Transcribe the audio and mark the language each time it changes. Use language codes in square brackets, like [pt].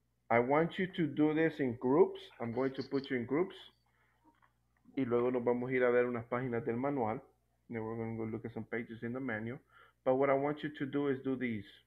[en] I want you to do this in groups. I'm going to put you in groups. [es] Y luego nos vamos a ir a ver unas páginas del manual. [en] Then we're going to go look at some pages in the manual. But what I want you to do is do these.